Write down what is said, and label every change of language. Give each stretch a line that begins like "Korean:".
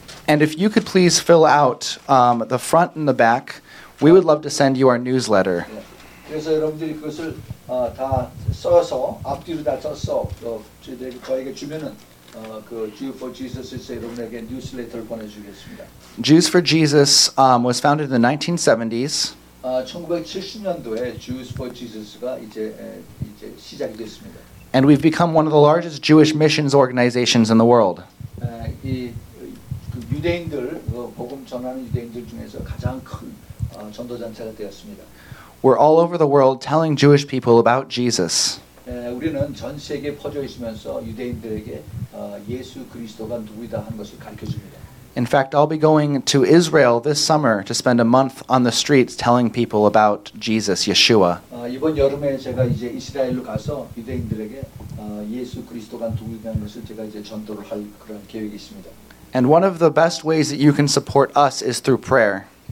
English: And if you could please fill out the front and the back, we would love to send you our newsletter.
Korean: 그래서 여러분들이 그것을 다 써서 앞뒤로 다 써서 저에게 주면은 Jew for Jesus 여러분에게 뉴스레터를 보내주겠습니다.
English: Jews for Jesus was founded in the 1970s.
Korean: 1970년도에 Jews for Jesus가 이제 시작이 됐습니다.
English: And we've become one of the largest Jewish missions organizations in the world.
Korean: 그 유대인들 복음 전하는 유대인들 중에서 가장 큰 전도 단체가 되었습니다.
English: We're all over the world telling Jewish people about Jesus.
Korean: 우리는 전 세계 퍼져 있으면서 유대인들에게 예수 그리스도가 누구이다 하는 것을 가르쳐 줍니다.
English: In fact, I'll be going to Israel this summer to spend a month on the streets telling people about Jesus, Yeshua.
Korean: 이번 여름에 제가 이제 이스라엘로 가서 유대인들에게 예수 그리스도가 누구냐는 것을 제가 이제 전도를 할 그런 계획이 있습니다.
English: And one of the best ways that you can support us is through prayer.